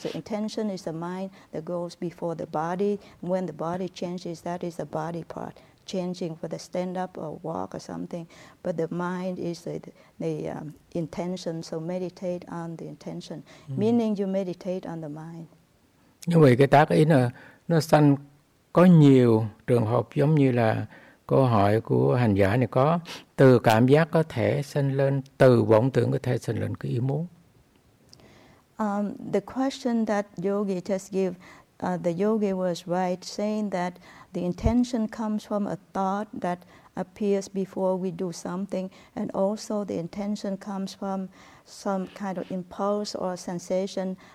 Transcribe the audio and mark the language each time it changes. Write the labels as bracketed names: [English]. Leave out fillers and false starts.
[English] The intention is the mind that goes before the body. When the body changes, that is the body part changing for the stand up or walk or something. But the mind is the intention. So meditate on the intention, meaning you meditate on the mind. [Vietnamese] Như vậy cái tác ý nó sanh có nhiều trường hợp, giống như là câu hỏi của hành giả này, có từ cảm giác có thể sanh lên, từ vọng tưởng có thể sanh lên cái ý muốn. [English] The question that yogi just gave, the yogi was right, saying that the intention comes from a thought that appears before we do something, and also the intention comes from some kind of impulse or sensation.